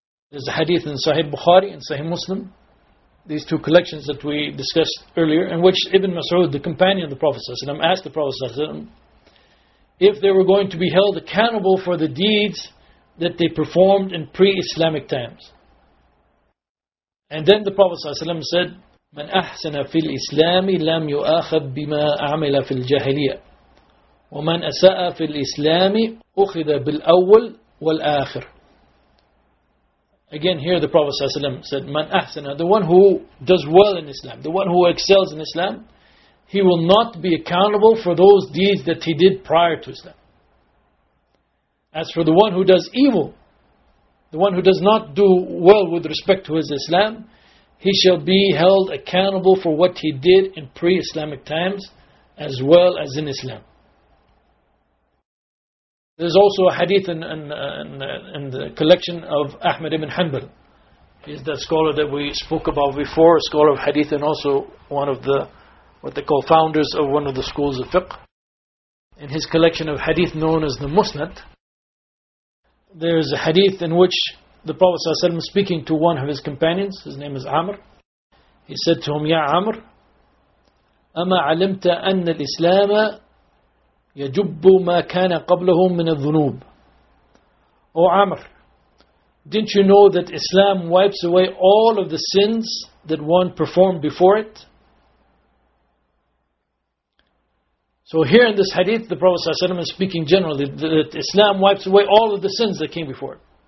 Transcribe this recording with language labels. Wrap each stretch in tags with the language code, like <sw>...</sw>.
<en>There's a hadith in Sahih Bukhari and Sahih Muslim, these two collections that we discussed earlier, in which Ibn Mas'ud, the companion of the Prophet ﷺ, asked the Prophet ﷺ if they were going to be held accountable for the deeds that they performed in pre-Islamic times. And then the Prophet ﷺ said,</en> <ar>مَنْ أَحْسَنَ فِي الْإِسْلَامِ لَمْ يُؤَخَذْ بِمَا أَعْمِلَ فِي الْجَهِلِيَةِ وَمَنْ أَسَاءَ فِي الْإِسْلَامِ أُخِذَ بِالْأَوَّلْ وَالْآخِرِ.</ar> <en>Again, here the Prophet ﷺ said,</en> <ar>مَنْ أَحْسَنَ,</ar> <en>the one who does well in Islam, the one who excels in Islam, he will not be accountable for those deeds that he did prior to Islam. As for the one who does evil, the one who does not do well with respect to his Islam, he shall be held accountable for what he did in pre-Islamic times as well as in Islam. There's also a hadith in the collection of Ahmad ibn Hanbal. He's the scholar that we spoke about before, a scholar of hadith and also one of the, what they call founders of one of the schools of fiqh. In his collection of hadith known as the Musnad, there is a hadith in which the Prophet ﷺ is speaking to one of his companions, his name is Amr. He said to him, Ya Amr,</en> <ar>أَمَا عَلِمْتَ أَنَّ الْإِسْلَامَ يَجُبُّ مَا كَانَ قَبْلَهُ مِنَ الذُّنُوبِ.</ar> <en>O Amr, didn't you know that Islam wipes away all of the sins that one performed before it? So here in this hadith, the Prophet ﷺ is speaking generally that Islam wipes away all of the sins that came before it.</en>